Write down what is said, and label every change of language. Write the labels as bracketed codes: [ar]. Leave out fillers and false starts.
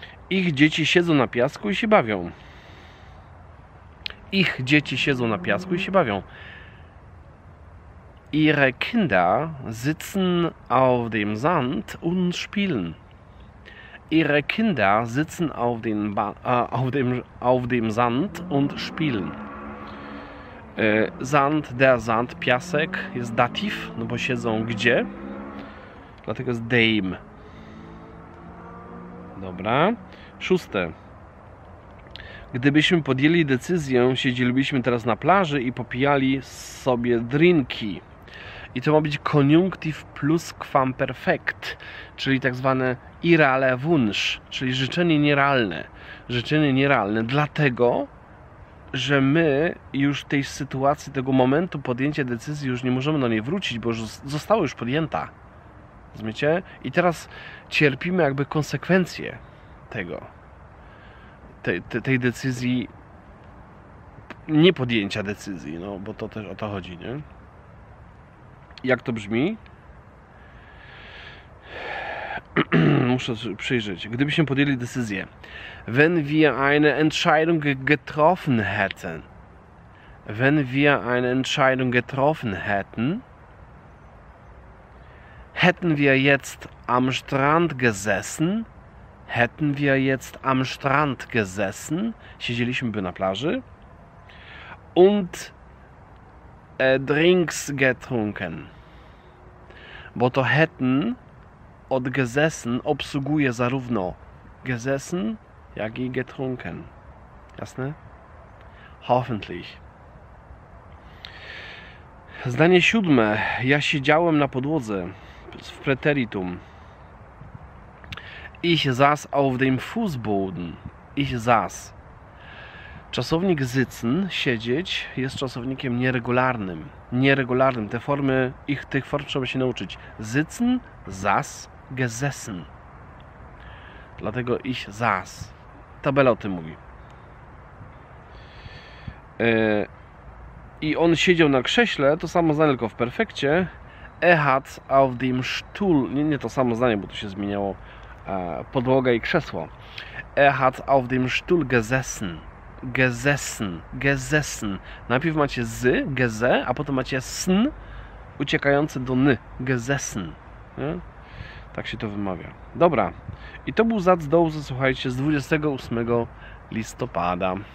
[pl] Ich dzieci siedzą na piasku i się bawią. Ich dzieci siedzą na piasku i się bawią. [de] Ihre Kinder sitzen auf dem Sand und spielen. Ihre Kinder sitzen auf dem, Sand und spielen. Sand, der Sand, [pl] piasek jest dativ, no bo siedzą gdzie? Dlatego jest deim. Dobra. Szóste. Gdybyśmy podjęli decyzję, siedzielibyśmy teraz na plaży i popijali sobie drinki. I to ma być koniunktiv pluskwamperfekt, czyli tak zwane [de] irrealer Wunsch, [pl] czyli życzenie nierealne. Życzenie nierealne dlatego, że my już tej sytuacji, tego momentu podjęcia decyzji już nie możemy do niej wrócić, bo już została już podjęta. Rozumiecie? I teraz cierpimy jakby konsekwencje tego, tej decyzji, nie podjęcia decyzji, no bo to też o to chodzi, nie? Jak to brzmi? Muszę przyjrzeć. Gdybyśmy podjęli decyzję. [de] Wenn wir eine Entscheidung getroffen hätten. Wenn wir eine Entscheidung getroffen hätten. Hätten wir jetzt am Strand gesessen. Hätten wir jetzt am Strand gesessen. [pl] Siedzieliśmy by na plaży. [de] Und Drinks getrunken. [pl] Bo to hätten od gesessen obsługuje zarówno gesessen, jak i getrunken. Jasne? [de] Hoffentlich. [pl] Zdanie siódme. Ja siedziałem na podłodze w preteritum. [de] Ich saß auf dem Fußboden. Ich saß. [pl] Czasownik sitzen, siedzieć, jest czasownikiem nieregularnym. Nieregularnym. Te formy, ich tych form trzeba się nauczyć. [de] Sitzen, saß, gesessen. [pl] Dlatego [de] ich saß. [pl] Tabela o tym mówi. I on siedział na krześle, to samo zdanie, tylko w perfekcie. [de] Er hat auf dem Stuhl. [pl] Nie to samo zdanie, bo tu się zmieniało podłoga i krzesło. [de] Er hat auf dem Stuhl gesessen. Gesessen, gesessen. [pl] Najpierw macie z, geze, a potem macie sn, uciekający do n, gesessen. Nie? Tak się to wymawia. Dobra. I to był Zac Dołze, słuchajcie, z 28 listopada.